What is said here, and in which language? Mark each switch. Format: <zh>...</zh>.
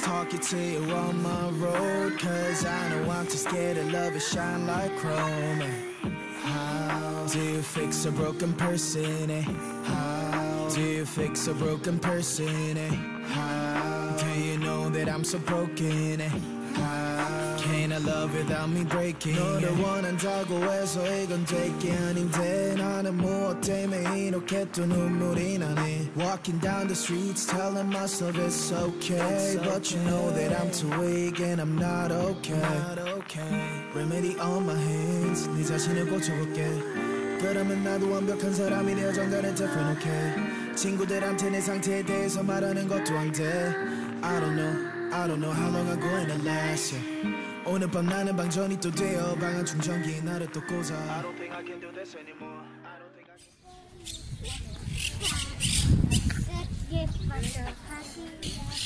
<en>talking to you on my road, 'cause I know I'm too scared of love and shine like chrome. How do you fix a broken person? How do you fix a broken person? How do you know that I'm so broken? Can't I love without me breaking?</en> <ko>너를 원한다고 해서 이건 될게 아닌데 나는 무엇 때문에 이렇게 또 눈물이 나네.</ko> <en>Walking down the streets telling myself it's okay, but you know that I'm too weak and I'm not okay. Remedy on my hands,</en> <ko>네 자신을 고쳐볼게. 그러면 나도 완벽한 사람이 되어 정다른</ko> <en>different, okay.</en> <ko>친구들한테 내 상태에 대해서 말하는 것도 안 돼.</ko> <en>I don't know how long I'm gonna last, yeah.</en> <ko>오늘 밤 나는 방전이 또 되어 방안 충전기 나를 또 꽂아.</ko> <en>I don't think I can do this anymore. I don't think I can.</en>